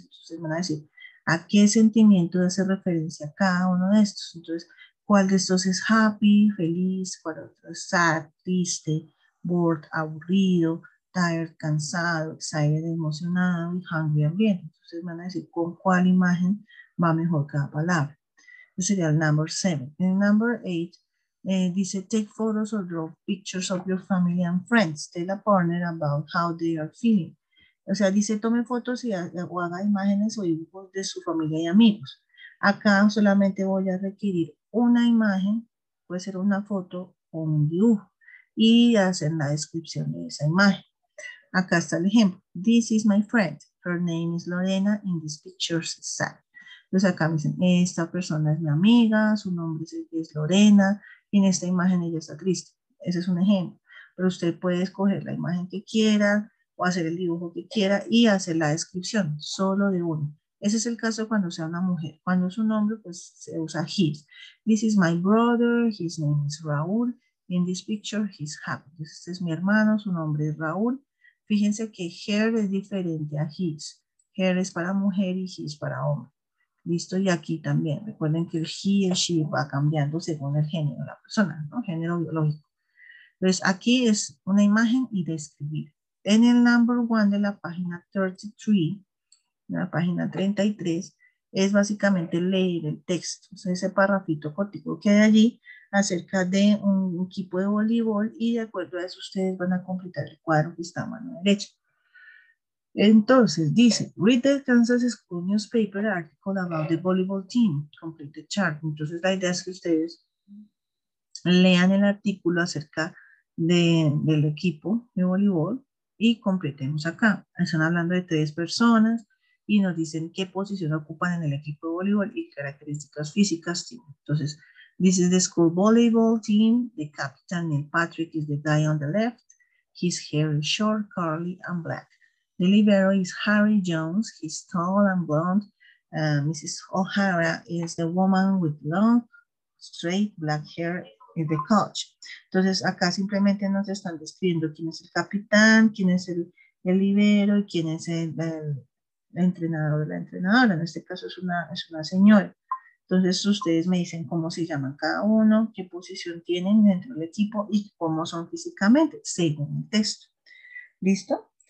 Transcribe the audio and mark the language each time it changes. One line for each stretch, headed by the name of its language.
Spanish: Entonces van a decir, ¿a qué sentimiento hace referencia cada uno de estos? Entonces, ¿cuál de estos es
English: happy,
Spanish: feliz, cuál otro es
English: sad,
Spanish: triste,
English: bored,
Spanish: aburrido,
English: tired,
Spanish: cansado,
English: excited,
Spanish: emocionado, y
English: hungry,
Spanish: hambriento. Entonces van a decir con cuál imagen va mejor cada palabra. Entonces sería el number 7. El number 8 dice,
English: take photos or draw pictures of your family and friends. Tell a partner about how they are feeling.
Spanish: O sea, dice, tome fotos y haga imágenes o dibujos de su familia y amigos. Acá solamente voy a requerir una imagen, puede ser una foto o un dibujo, y hacen la descripción de esa imagen. Acá está el ejemplo.
English: This is my friend. Her name is Lorena. In this picture, she's sad.
Spanish: Entonces acá me dicen, esta persona es mi amiga, su nombre es Lorena, y en esta imagen ella está triste. Ese es un ejemplo. Pero usted puede escoger la imagen que quiera, o hacer el dibujo que quiera, y hacer la descripción, solo de uno. Ese es el caso cuando sea una mujer. Cuando es un hombre, pues se usa his.
English: This is my brother, his name is Raúl. In this picture, he's happy.
Spanish: Entonces, este es mi hermano, su nombre es Raúl. Fíjense que her es diferente a his. Her es para mujer y his para hombre. Listo, y aquí también. Recuerden que el he y el she va cambiando según el género de la persona, ¿no? Género biológico. Entonces, aquí es una imagen y describir. En el number one de la página 33, la página 33, es básicamente leer el texto, o sea, ese parrafito cortico que hay allí acerca de un equipo de voleibol, y de acuerdo a eso ustedes van a completar el cuadro que está a mano derecha. Entonces dice,
English: read the Kansas School Newspaper article about the volleyball team, complete the chart.
Spanish: Entonces la idea es que ustedes lean el artículo acerca del equipo de voleibol y completemos acá. Están hablando de tres personas y nos dicen qué posición ocupan en el equipo de voleibol y características físicas tienen. Entonces,
English: this is the school volleyball team. The captain, Neil Patrick, is the guy on the left. His hair is short, curly, and black. The libero is Harry Jones. He's tall and blonde. Mrs. O'Hara is the woman with long, straight, black hair.
Spanish: Es de coach. Entonces, acá simplemente nos están describiendo quién es el capitán, quién es el libero y quién es el entrenador de la entrenadora. En este caso es una señora. Entonces, ustedes me dicen cómo se llaman cada uno, qué posición tienen dentro del equipo y cómo son físicamente, según el texto. ¿Listo?